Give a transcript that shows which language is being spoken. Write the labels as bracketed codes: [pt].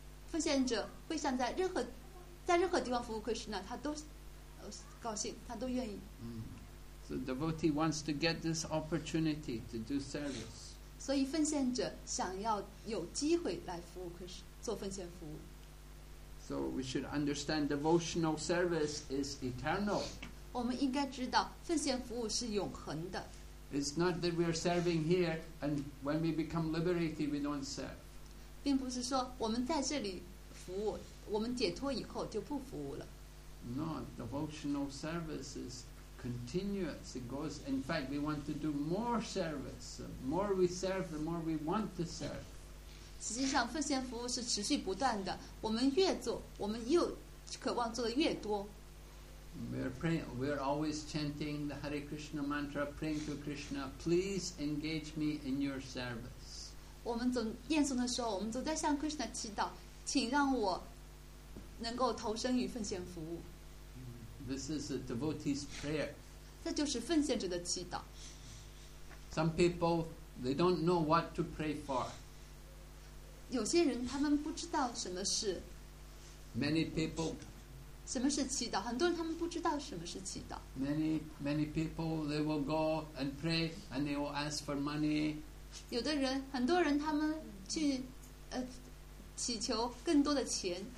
[zh] 奉献者会想在任何在任何地方服务 Krishna， 他都高兴，他都愿意。 [en] So devotee wants to get this opportunity to do service. [zh] 所以奉献者想要有机会来服务 Krishna， 做奉献服务。 [en] So we should understand devotional service is eternal. [zh] 我们应该知道奉献服务是永恒的。 [en] It's not that we are serving here, and when we become liberated, we don't serve. [zh] 并不是说我们在这里服务，我们解脱以后就不服务了。 [en] No, devotional service is continuous. It goes. In fact, we want to do more service. The more we serve, the more we want to serve. [zh] 实际上，奉献服务是持续不断的。我们越做，我们又渴望做的越多。 [en] We're always chanting the Hare Krishna mantra, praying to Krishna, please engage me in your service. [zh] 我们总念诵的时候，我们总在向 Krishna 祈祷，请让我能够投身于奉献服务。 [en] This is a devotee's prayer. [zh] 这就是奉献者的祈祷。 [en] Some people they don't know what to pray for. [zh] 有些人他们不知道什么是。 [en] Many people. [zh] 什么是祈祷？很多人他们不知道什么是祈祷。 [en] Many many people they will go and pray and they will ask for money. [zh] 有的人，很多人他们去祈求更多的钱。